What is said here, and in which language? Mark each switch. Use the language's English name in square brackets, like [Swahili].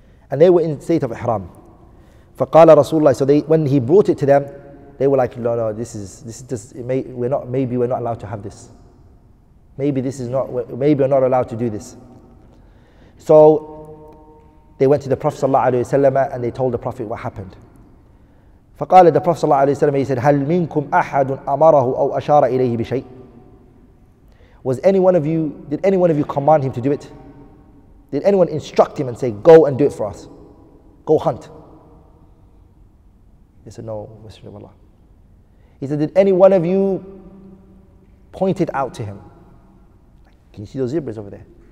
[English] And they were in state of ihram. [Arabic] فَقَالَ رَسُولُ اللَّهِ [English] So they, when he brought it to them, they were like, no, maybe we're not allowed to have this. Maybe we're not allowed to do this. So they went to the Prophet sallallahu alaihi wasallam and they told the Prophet what happened. [Arabic] فقال [English] the Prophet [Arabic] صلى الله عليه وسلم, [English] he said, [Arabic] هل منكم أحد أمره أو أشار إليه بشيء? [English] Did any one of you command him to do it? Did anyone instruct him and say, go and do it for us? Go hunt. He said, no, Messenger of Allah. He said, did any one of you point it out to him? Can you see those zebras over there?